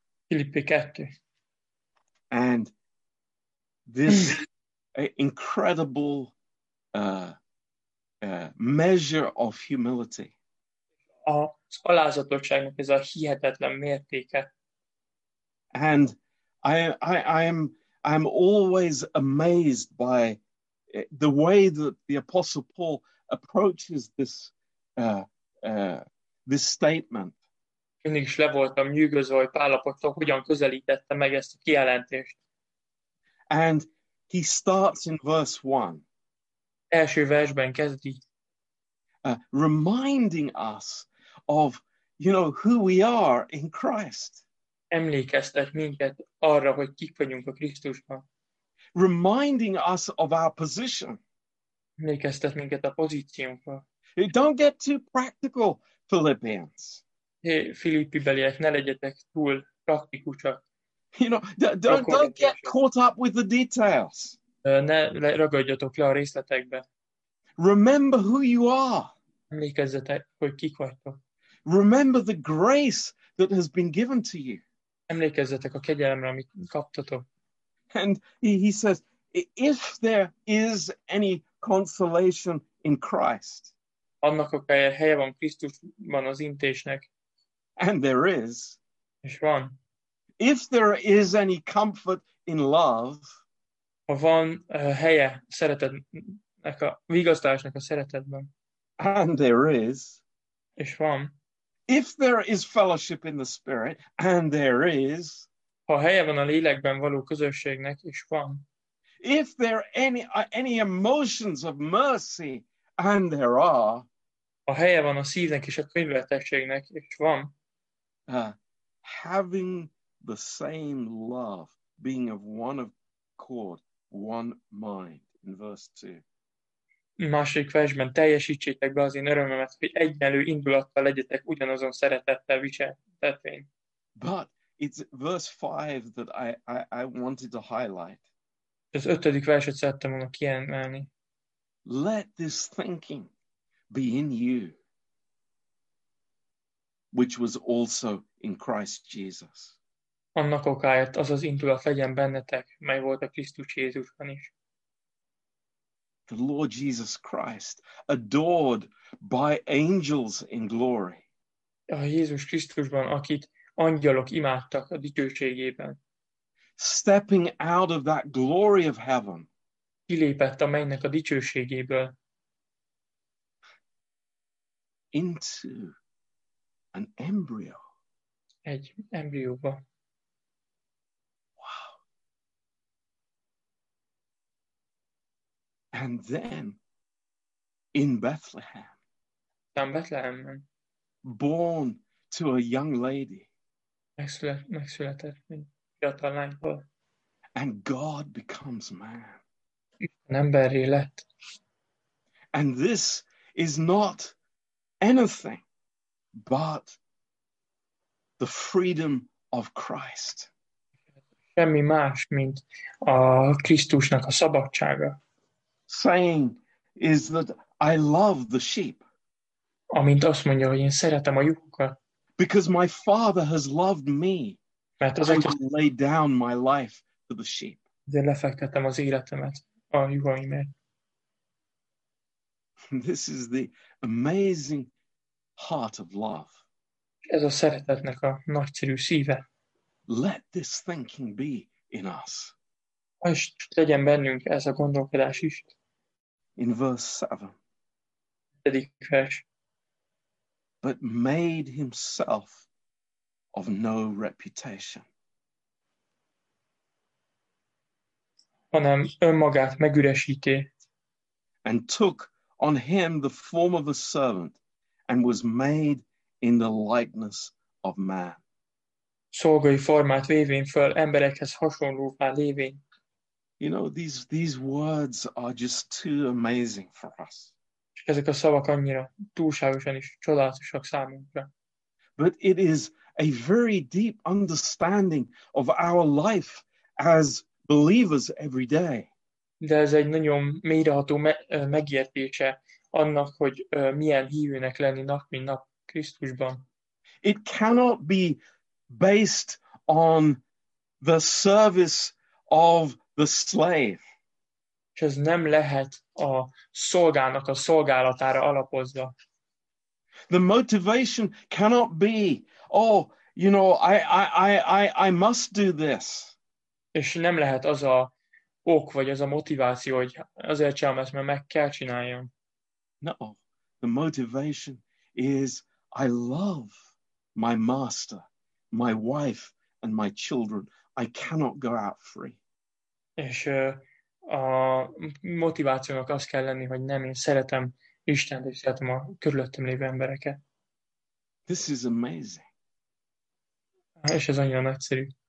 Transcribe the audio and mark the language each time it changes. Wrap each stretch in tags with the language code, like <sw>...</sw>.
<hu>Filippi 2.</hu> <en>And this incredible measure of humility.</en> <hu>Az alázatosságnak ez a hihetetlen mértéke.</hu> <en>And I'm always amazed by the way that the Apostle Paul approaches this statement.</en> <hu>Mindig is le voltam nyűgözve, hogy Pál apostol hogyan közelítette meg ezt a kijelentést.</hu> <en>And he starts in verse 1.</en> <hu>Első versben kezdi.</hu> <en>Reminding us of, you know, who we are in Christ.</en> <hu>Emlékeztet minket arra, hogy kik vagyunk a Krisztusban.</hu> <en>Reminding us of our position.</en> <hu>Emlékeztet minket a pozíciónkra.</hu> <en>Don't get too practical, Philippians.</en> <hu>Hey, Filippi beliek, ne legyetek túl praktikusak.</hu> <en>You know, don't get caught up with the details.</en> <hu>Ne ragadjatok le a részletekbe.</hu> <en>Remember who you are.</en> <hu>Emlékezzetek, hogy kik vagytok.</hu> <en>Remember the grace that has been given to you.</en> <hu>Emlékezzetek a kegyelemre, amit kaptatok.</hu> <en>And he says, if there is any consolation in Christ.</en> <hu>Annak a helye van Krisztusban az intésnek.</hu> <en>And there is.</en> <hu>És van.</hu> <en>If there is any comfort in love.</en> <hu>Ha van helye szeretetnek a vigasztalásnak a szeretetben.</hu> <en>And there is.</en> <hu>És van.</hu> <en>If there is fellowship in the Spirit, and there is.</en> <hu>Ha helye van a lélekben való közösségnek, és van.</hu> <en>If there are any emotions of mercy, and there are,</en> <hu>a helye van a szívnek és a könyvelteségnek, és van,</hu> <en>having the same love, being of one accord, one mind, in verse 2.</en> <hu>Másik versben, teljesítsétek be az én örömömet, hogy egyenlő indulattal legyetek ugyanazon szeretettel viseltetvén.</hu> <en>But it's verse 5 that I wanted to highlight.</en> <hu>Az ötödik verset szerettem volna kiemelni.</hu> <en>Let this thinking be in you, which was also in Christ Jesus.</en> <hu>Annak okáért az az indulat legyen bennetek, mely volt a Krisztus Jézusban is.</hu> <en>The Lord Jesus Christ, adored by angels in glory.</en> <hu>A Jézus Krisztusban, akit angyalok imádtak a dicsőségében.</hu> <en>Stepping out of that glory of heaven.</en> <hu>Kilépett a mennynek a dicsőségéből.</hu> <en>Into an embryo.</en> <hu>Egy embrióba.</hu> <en>And then, in Bethlehem, born to a young lady, and God becomes man. And this is not anything but the freedom of Christ.</en> <hu>Semmi más, mint a Krisztusnak a szabadsága.</hu> <en>Saying is that I love the sheep.</en> <hu>Amint azt mondja, hogy én szeretem a juhokat.</hu> <en>Because my Father has loved me.</en> <hu>Mert az Atyám</hu> <en>laid down my life for the sheep.</en> <hu>De lefektettem az életemet a juhaimért.</hu> <en>This is the amazing heart of love.</en> <hu>Ez a szeretetnek a nagyszerű szíve.</hu> <en>Let this thinking be in us.</en> <hu>És legyen bennünk ez a gondolkodás is.</hu> <en>In verse 7.</en> <hu>Pedig vers.</hu> <en>But made himself of no reputation.</en> <hu>Hanem önmagát megüresíté.</hu> <en>And took on him the form of a servant and was made in the likeness of man.</en> <hu>Szolgai formát vévén föl emberekhez hasonlóvá lévén.</hu> <en>You know, these words are just too amazing for us.</en> <hu>Ezek a szavak annyira túlságosan is csodálatosak számunkra.</hu> <en>But it is a very deep understanding of our life as believers every day.</en> <hu>De ez egy nagyon mélyreható megértése annak, hogy milyen hívőnek lenni nap mint nap Krisztusban.</hu> <en>It cannot be based on the service of the slave.</en> <hu>És ez nem lehet a szolgának a szolgálatára alapozva.</hu> <en>The motivation cannot be, oh, you know, I must do this.</en> <hu>És nem lehet az a ok, vagy az a motiváció, hogy azért csinálom ezt, mert meg kell csináljam.</hu> <en>No, the motivation is, I love my master, my wife, and my children. I cannot go out free.</en> <hu>És a motivációnak az kell lenni, hogy nem én szeretem Istent, és szeretem a körülöttem lévő embereket.</hu> <en>This is amazing.</en> <hu>És ez annyira nagyszerű.</hu>